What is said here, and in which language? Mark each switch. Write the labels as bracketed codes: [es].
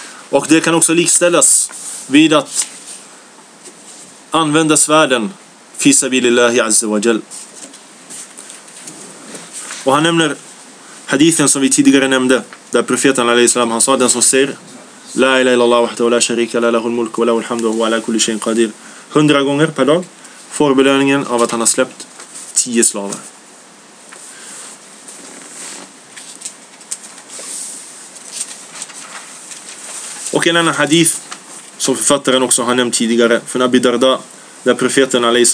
[sv] Och det kan också likställas vid att använda svärden fisabilillahi azza wa jall. Och han nämner hadithen som vi tidigare nämnde, där profeten alaihi salam han sa, den som ser [ar] لا إله إلا الله وحده لا شريك له له الملك وله الحمد وهو على كل شيء قدير. [sv] 100 gånger per dag får belöningen av att han har släppt 10 slavar. Och en annan hadith som författaren också har nämnt tidigare från Abi Darda, där profeten a.s.